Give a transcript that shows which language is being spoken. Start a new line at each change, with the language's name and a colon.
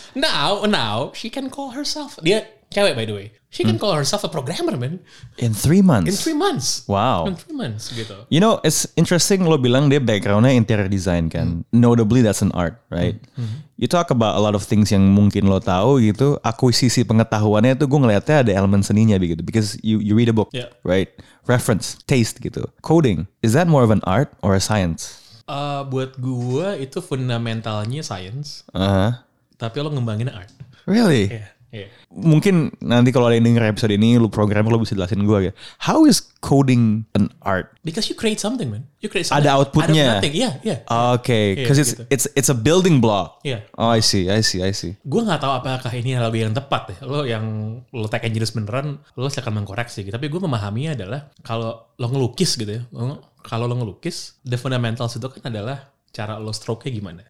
English: Now, she can call herself.
Indonesian: Dia cewek
English: by the way. She can call herself a programmer, man. In three months. Wow. In 3 months, gitu. You know, it's interesting
Indonesian: lo bilang dia background-nya
English: interior design, kan? Mm. Notably, that's an art, right? Mm-hmm. You talk about a lot of things
Indonesian: yang mungkin lo tahu, gitu. Akuisisi pengetahuannya itu gue ngeliatnya ada elemen seninya, gitu.
English: Because you read a book, yeah. Right? Reference, taste, gitu. Coding, is that more of an art or a science?
Indonesian: Buat gue, itu fundamentalnya science. Uh-huh. Tapi lo ngembangin art.
English: Really? Yeah. Yeah.
Indonesian: Mungkin nanti kalau ada yang denger episode ini, lu program, lu bisa jelasin gue.
English: How is coding an art? Because you create something, man. You create something.
Indonesian: Ada outputnya.
English: Ada nothing. Yeah, yeah. Oh, okay, because yeah, it's a building block. Yeah. Oh, I see.
Indonesian: Gue nggak tahu apakah ini lebih yang tepat deh. Lo yang lo tech engineer beneran, lo silakan mengkoreksi. Tapi gue memahaminya adalah kalau lo ngelukis gitu ya. Kalau lo ngelukis,
English: the fundamentals
Indonesian: itu kan adalah cara lo stroke-nya gimana.